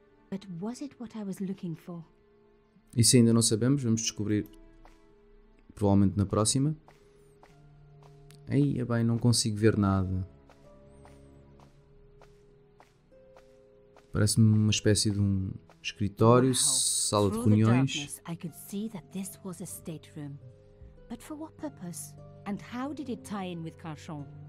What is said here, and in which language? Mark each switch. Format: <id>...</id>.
<en>But was it what I was looking for?</en> <pt>Isso ainda não sabemos, vamos descobrir provavelmente na próxima. Ei, é bem, não consigo ver nada. Parece-me uma espécie de um escritório, sala de reuniões.</pt> <en>I could see that this was a stateroom. But for what purpose? And how did it tie in with Carchon?</en>